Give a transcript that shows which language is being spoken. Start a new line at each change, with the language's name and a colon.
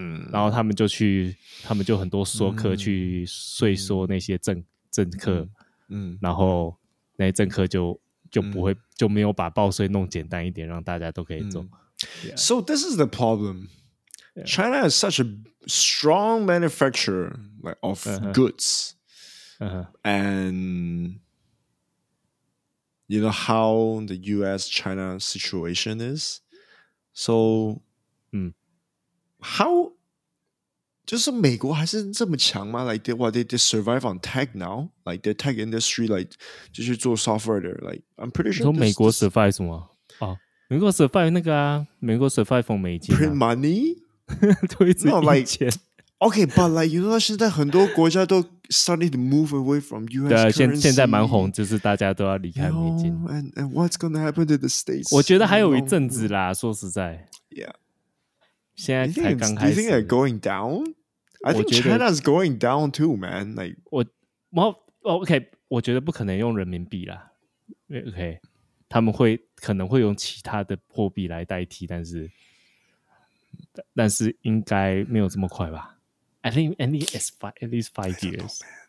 Chinese: 然后他们就很多说客去税收那些政客、然后那些政客就不会、就没有把报税弄简单一点，让大家都可以做。
English: So this is the problem. China is such a strong manufacturer like of goods, and you know how the U.S.-China situation is. So. How
Chinese: 就是美国还是这么强吗
English: ？Like they survive on tech now? Like the tech industry, like
Chinese: 就是做
English: software 的。Like I'm pretty sure.
Chinese: 你说美国 survive 什么？啊、哦，美国 survive 那个啊，美国 survive 美金、啊。
English: Print money，
Chinese: 推自己印钱。
English: No, like, OK， but like you know，
Chinese: 现在很多国家都
English: starting to move away from U.S. currency。
Chinese: 对，现在蛮红，就是大家都要离开美金。
English: No, and what's going to happen to the states？
Chinese: 我觉得还有一阵子啦，说实在。
English: Yeah。
Chinese: 现在才刚开始。
English: Do you think it's going down? I think China's going down too, man. Like,
Chinese: 我 OK， 我觉得不可能用人民币啦。 OK， 他们会可能会用其他的货币来代替，但是应该没有这么快吧 ？
English: I think at least five years.